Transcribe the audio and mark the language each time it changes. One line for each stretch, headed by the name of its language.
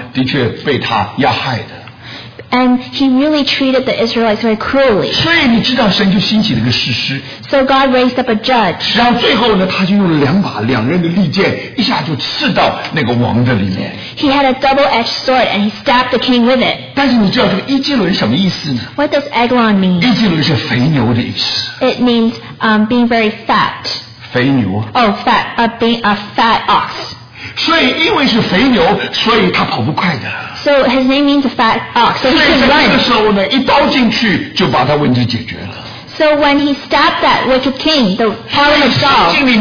Chinese: 那么我们知道以色列人在他底下，那就很苦，因为他们的确被他压害的。
English: And he really treated the Israelites very cruelly. So God raised up a judge.
Chinese: 然后最后呢，他就用了两把两刃的利剑，一下就刺到那个王的里面。
English: He had a double-edged sword and he stabbed the king with it.
Chinese: 但是你知道这个伊基伦什么意思呢?
English: What does Eglon mean?
Chinese: 伊基伦是肥牛的意思。
English: It means being very fat.
Chinese: 肥牛。
English: Oh, fat. Being a fat ox.
Chinese: 所以因为是肥牛，所以他跑不快的。
English: So his name means a fat ox. So he can run.
Chinese: 所以在那个时候呢，一刀进去就把他问题解决了。
English: So when he stabbed that wicked king, the power of God.